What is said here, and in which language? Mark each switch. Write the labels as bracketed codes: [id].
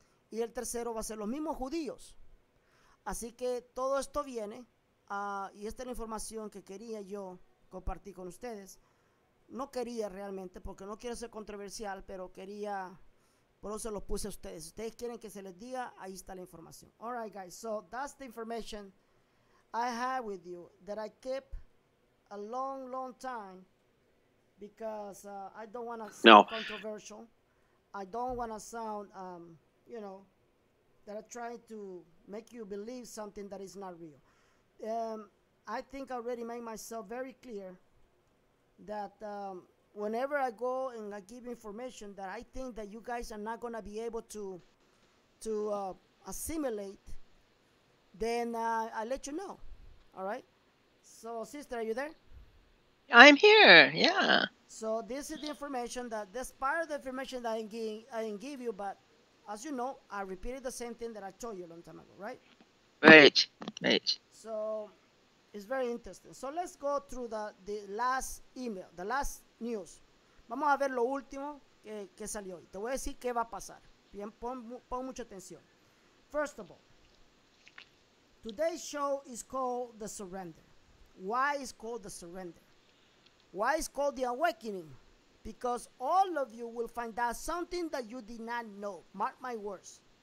[es] Y el tercero va a ser los mismos judíos. Así que todo esto viene, y esta es la información que quería yo compartir con ustedes. No quería realmente, porque no quiero ser controversial, pero quería... Por eso los puse a ustedes. Si ustedes quieren que se les diga, ahí está la información. [en] All right, guys. So that's the information I have with you that I kept a long, long time because I don't want to sound controversial. I don't want to sound, you know, that I try to make you believe something that is not real. I think I already made myself very clear that... whenever I go and I give information that I think that you guys are not going to be able to assimilate, then I let you know. All right? So, sister, are you there? I'm here. Yeah. So, this is the information that, this part of the information that I didn't give you, but as you know, I repeated the same thing that I told you a long time ago, right? Right. So, It's very interesting. So let's go through the last email, the last news. [es] Vamos a ver lo último que salió hoy. Te voy a decir qué va a pasar. Bien, pon mucha atención. [en] First of all, today's show is called The Surrender. Why is called The Surrender? Why is called The Awakening? Because all of you will find out something that you did not know. Mark my words.